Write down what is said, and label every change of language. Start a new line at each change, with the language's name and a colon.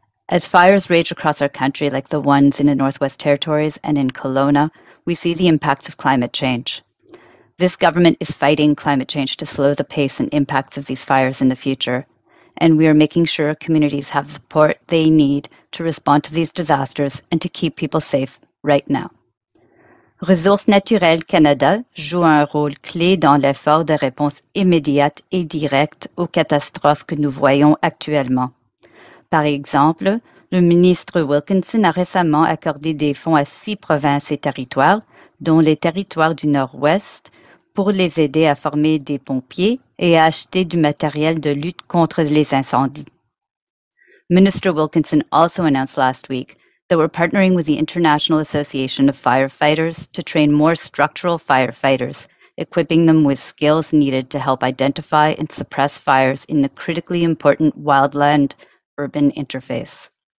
English: As fires rage across our country, like the ones in the Northwest Territories and in Kelowna, we see the impacts of climate change. This government is fighting climate change to slow the pace and impacts of these fires in the future, and we are making sure communities have the support they need to respond to these disasters and to keep people safe right now.
French: Ressources Naturelles Canada joue un rôle clé dans l'effort de réponse immédiate et directe aux catastrophes que nous voyons actuellement. Par exemple, le ministre Wilkinson a récemment accordé des fonds à 6 provinces et territoires, dont les territoires du Nord-Ouest, pour les aider à former des pompiers et à acheter du matériel de lutte contre les incendies.
English: Minister Wilkinson also announced last week that we're partnering with the International Association of Firefighters to train more structural firefighters, equipping them with skills needed to help identify and suppress fires in the critically important wildland urban interface.